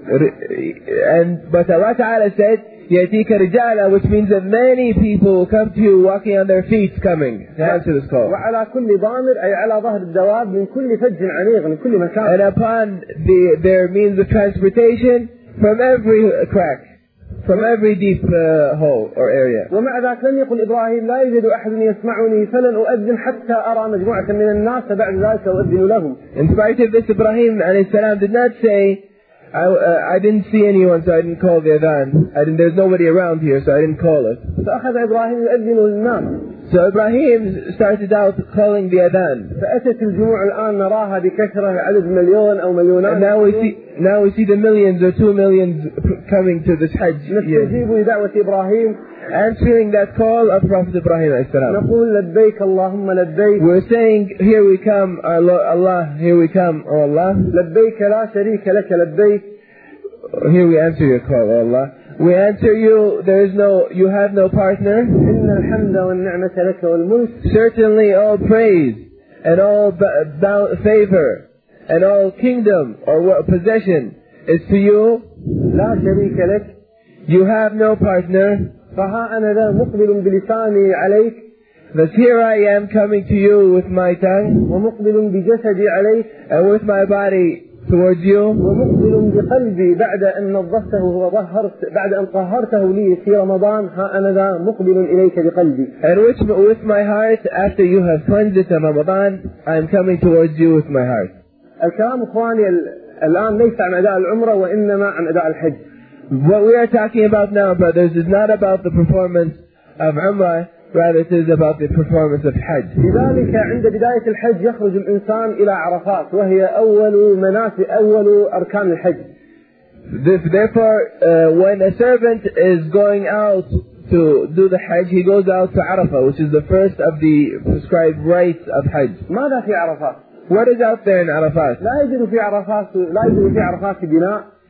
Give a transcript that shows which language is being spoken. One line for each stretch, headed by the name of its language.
English: But Allah Ta'ala said,
Arabic: يَأْتِيكَ رِجَالَ,
English: which means that many people will come to you walking on their feet coming to answer this call.
Arabic: وَعَلَى كُلِّ ضَامِرْ, أي على ظهر الدواب, من كل فج عنيغ, من كل مكان.
English: And upon the, their means of transportation, from every crack, from every deep hole or area.
Arabic: ومع ذلك لم يقل إبراهيم لا يوجد أحد يسمعني فلن أؤذن حتى أرى مجموعة من الناس بعد ذلك أؤذن لهم.
English: In spite of this, Ibrahim
Arabic: عليه السلام
English: did not say, I didn't see anyone, so I didn't call the adhan. There's nobody around here, so I didn't call it.
Arabic: فأخذ إبراهيم يؤذن للناس.
English: So Ibrahim started out calling the adhan.
Arabic: فأتت الجموع الآن نراها بكثرة عدد مليون أو مليونات.
English: And now we see the millions or 2 million coming to this Hajj.
Arabic: نستجيب لدعوة إبراهيم.
English: Answering that call of Prophet Ibrahim
Arabic: عليه السلام. نقول لبيك اللهم لبيك.
English: We're saying, here we come, Allah, here we come, O Allah.
Arabic: لبيك لا شريك لك لبيك.
English: Here we answer your call, O Allah. We answer you, there is no, you have no partner.
Arabic: إن الحمد والنعمة لك والملك.
English: Certainly all praise and all favor and all kingdom or possession is to you.
Arabic: لا شريك لك.
English: You have no partner.
Arabic: فها أنا ذا مقبل بلساني عليك.
English: But here I am coming to you with my tongue.
Arabic: ومقبل بجسدي عليك.
English: And with my body towards you.
Arabic: ومقبل بقلبي بعد أن نظفته وظهرت بعد أن طهرته لي في رمضان ها أنا ذا مقبل إليك بقلبي.
English: And with my heart after you have cleansed it in Ramadan, I am coming towards you with my heart.
Arabic: الكلام إخواني الآن ليس عن أداء العمرة وإنما عن أداء الحج.
English: What we are talking about now, brothers, is not about the performance of Umrah, rather it is about the performance of Hajj.
Arabic: لذلك عند بداية الحج يخرج الإنسان إلى عرفات وهي أول مناسك أول أركان الحج.
English: Therefore, when a servant is going out to do the Hajj, he goes out to Arafah, which is the first of the prescribed rites of Hajj.
Arabic: ماذا في عرفات?
English: What is out there in Arafat?
Arabic: لا يوجد في عرفات لا يوجد في عرفات بناء.